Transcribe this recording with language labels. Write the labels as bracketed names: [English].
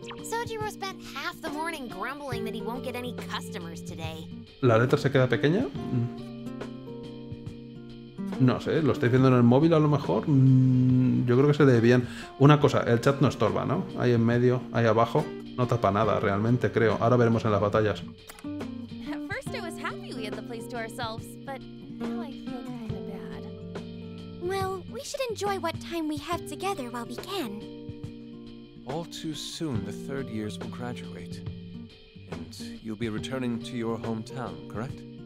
[English] Sojiro spent half the morning grumbling that he won't get any customers today. [Spanish] ¿La letra se queda pequeña? No sé, lo estoy viendo en el móvil a lo mejor. Yo creo que se lee bien. Una cosa, el chat no estorba, ¿no? Ahí en medio, ahí abajo, no tapa nada realmente, creo. Ahora veremos en las batallas. [English] At first I was happy we had the place to ourselves, but now I feel kind of bad. Well, we should enjoy what time we have together while we can. All too soon, the third years will graduate. And you'll be returning to your hometown, correct?